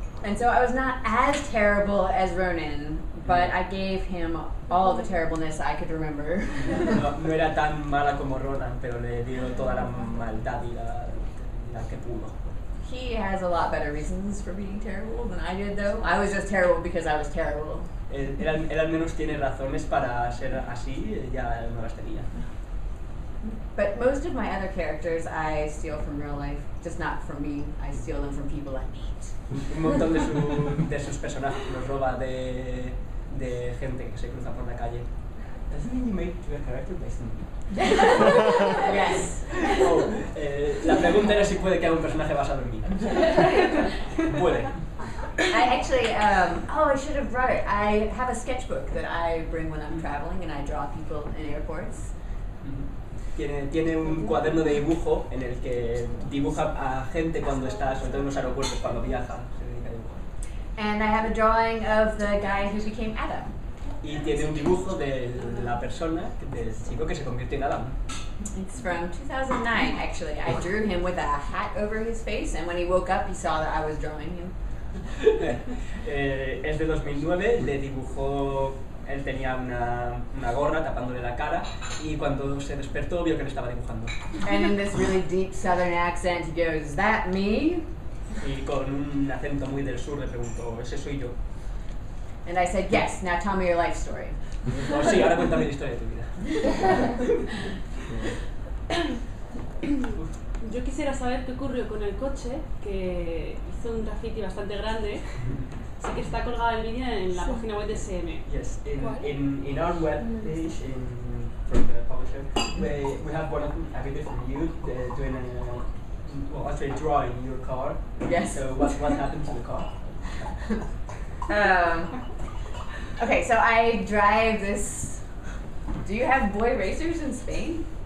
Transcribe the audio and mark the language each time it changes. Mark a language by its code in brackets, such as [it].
[en] And so I was not as terrible as Ronan, but I gave him all the terribleness I could remember. [es] No era tan mala como Ronan, pero le dio toda la maldad y la que pudo. [en] He has a lot better reasons for being terrible than I did, though. I was just terrible because I was terrible. [es] Él al menos tiene razones para ser así, ya no las tenía. [en] But most of my other characters I steal from real life, just not from me. I steal them from people I meet. [es] Un montón de sus personajes los roba de gente que se cruza por la calle. [en] Does that mean you made your character based on me? Yes. [es] La pregunta era si puede que haga un personaje basado en mí. Puede. [en] I actually, I should have brought it. I have a sketchbook that I bring when I'm traveling and I draw people in airports. [es] Tiene un cuaderno de dibujo en el que dibuja a gente cuando está, sobre todo en los aeropuertos, cuando viaja, se dedica a dibujar. [en] And I have a drawing of the guy who became Adam. [es] Y tiene un dibujo de la persona, del chico que se convirtió en Adam. [en] It's from 2009, actually. I drew him with a hat over his face, and when he woke up, he saw that I was drawing him. [es] Es de 2009, le dibujó... Él tenía una gorra tapándole la cara y cuando se despertó vio que le estaba dibujando. [en] And in this really deep southern accent he goes, "Is that me?" [es] Y con un acento muy del sur le preguntó, "¿Ese soy yo?" [en] And I said, "Yes, now tell me your life story." [es] Oh, sí, ahora cuéntame la historia de tu vida. Yo quisiera saber qué ocurrió con el coche que hizo un graffiti bastante grande. Sí que está colgada el vídeo en la página web de SM. [en] Yes, in our web page from the publisher, we have one a video from you doing a actually drawing your car. Yes. So what happened to the car? Okay, so I drive this. Do you have boy racers in Spain?